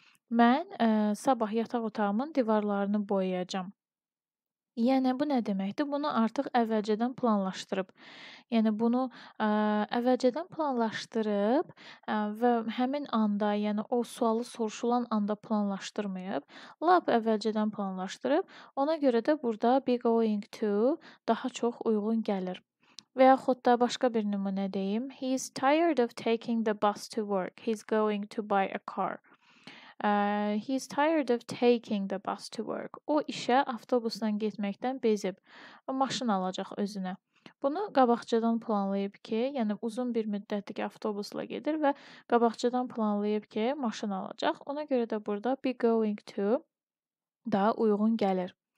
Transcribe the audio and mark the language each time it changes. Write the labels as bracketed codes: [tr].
[az] Mən sabah yataq otağımın divarlarını boyayacağım. Yəni, bu nə deməkdir? Bunu artıq əvvəlcədən planlaşdırıb. Yəni, bunu əvvəlcədən planlaşdırıb və həmin anda, yəni o sualı soruşulan anda planlaşdırmayıb. Lap əvvəlcədən planlaşdırıb. Ona görə də burada be going to daha çox uyğun gəlir. Və yaxud da başqa bir nümunə deyim. [en] He's tired of taking the bus to work. He's going to buy a car. He's tired of taking the bus to work. [az] O işə avtobusla getməkdən bezib. O maşın alacaq özünə. Bunu qabaqcadan planlayıb ki, yəni uzun bir müddətdir ki, avtobusla gedir və qabaqcadan planlayıb ki, maşın alacaq. Ona görə də burada be going to daha uyğun gəlir.